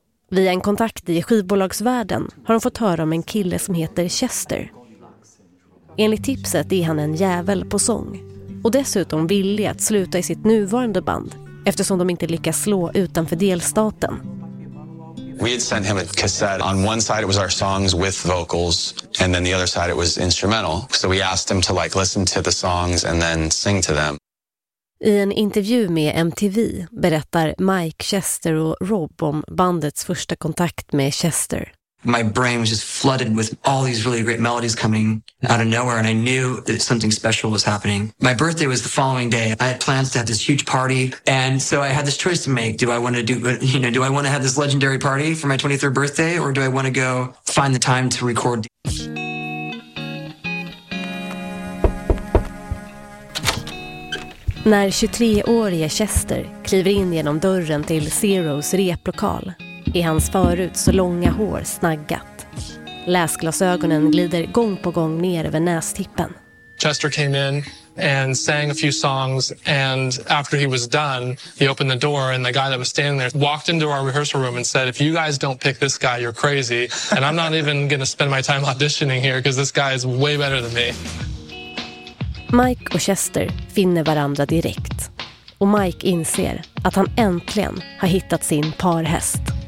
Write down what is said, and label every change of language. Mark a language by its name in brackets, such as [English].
[Swedish] Via en kontakt i skivbolagsvärlden har de fått höra om en kille som heter Chester. Enligt tipset är han en jävel på sång och dessutom villig att sluta i sitt nuvarande band eftersom de inte lyckas slå utanför delstaten. [English] We had sent him a cassette. On one side it was our songs with vocals, and then the other side it was instrumental. So we asked him to like listen to the songs and then sing to them. [Swedish] I en intervju med MTV berättar Mike, Chester och Rob om bandets första kontakt med Chester. [English] My brain was just flooded with all these really great melodies coming out of nowhere, and I knew that something special was happening. My birthday was the following day. I had plans to have this huge party, and so I had this choice to make. Do I want to have this legendary party for my 23rd birthday, or do I want to go find the time to record? [Swedish] När 23-årige Chester kliver in genom dörren till Zeros replokal är hans förut så långa hår snaggat. Läsglasögonen glider gång på gång ner över nästippen. [English] Chester came in and sang a few songs, and after he was done, he opened the door and the guy that was standing there walked into our rehearsal room and said, if you guys don't pick this guy, you're crazy, and I'm not even going to spend my time auditioning here because this guy is way better than me. [Swedish] Mike och Chester finner varandra direkt, och Mike inser att han äntligen har hittat sin parhäst.